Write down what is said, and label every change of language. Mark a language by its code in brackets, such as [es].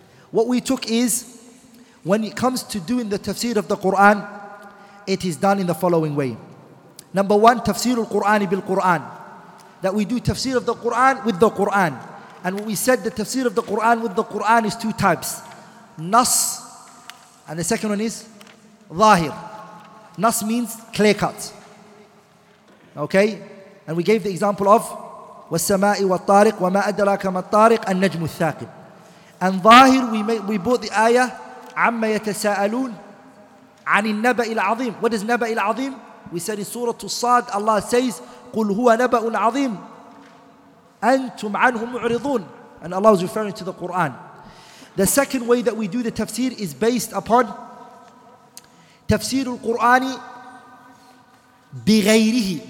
[en] What we took is, when it comes to doing the tafsir of the Quran, it is done in the following way. Number one, tafsir al-Qur'ani bil-Qur'an. That we do tafsir of the Quran with the Quran. And what we said, the tafsir of the Quran with the Quran is two types. Nas, and the second one is zahir. Nas means clear cut. Okay? And we gave the example of [ar] وَالسَّمَاءِ وَالطَّارِقِ وَمَا أَدْرَاكَ مَا الطَّارِقِ النَّجْمُ الثَّاقِبِ. [en] And ظاهر, we brought the ayah [ar] عَمَّ يَتَسَاءَلُونَ عَنِ النَّبَأِ الْعَظِيمِ. [en] What is [ar] نَبَأِ الْعَظِيمِ? [en] We said in Surah Al-Sad, Allah says, [ar] قُلْ هُوَ نَبَأُ الْعَظِيمِ أَنْتُمْ عَنْهُ مُعْرِضُونَ. [en] And Allah is referring to the Quran. The second way that we do the tafsir is based upon [ar] تفسير القرآن بغيره.